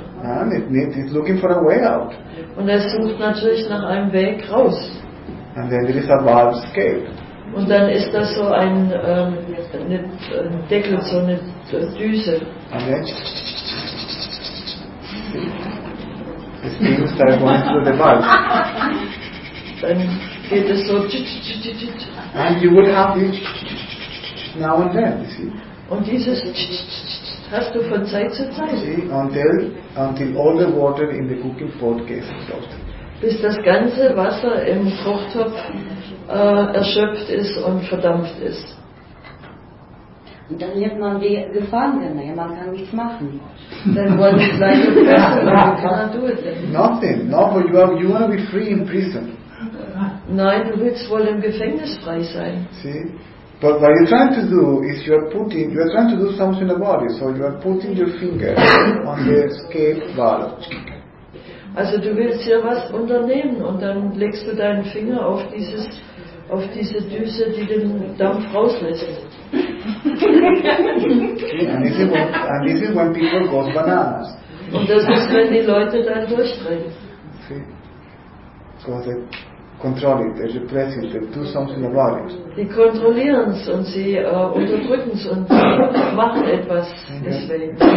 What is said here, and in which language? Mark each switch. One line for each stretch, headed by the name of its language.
English: And it's looking for a way out.
German: Und es sucht natürlich nach einem Weg raus.
English: And then there is a valve escape.
German: Und dann ist das so ein eine Deckel, so eine Düse.
English: And then the steam starts going through the valve.
German: Dann geht es so.
English: And you would have this now and then, you see.
German: Und dieses hast du von Zeit zu Zeit.
English: See, until all the water in the cooking pot gets exhausted.
German: Bis das ganze Wasser im Kochtopf erschöpft ist und verdampft ist. Und dann wird man wie Gefangene, man kann nichts machen. Dann wollen sie gleich in Prison, dann kann man tun.
English: Nothing, nothing. You want to be free in prison.
German: Nein, du willst wohl im Gefängnis frei sein.
English: See? But what you're trying to do is you're trying to do something about it. So you are putting your finger on the escape valve.
German: Also du willst hier was unternehmen und dann legst du deinen Finger auf diese Düse, die den Dampf rauslässt.
English: And this is when people go bananas.
German: Und das ist, wenn die Leute dann durchdrehen.
English: See? Because they control it, they repress it, they do something about it.
German: Die kontrollieren es und sie unterdrücken es und machen etwas deswegen.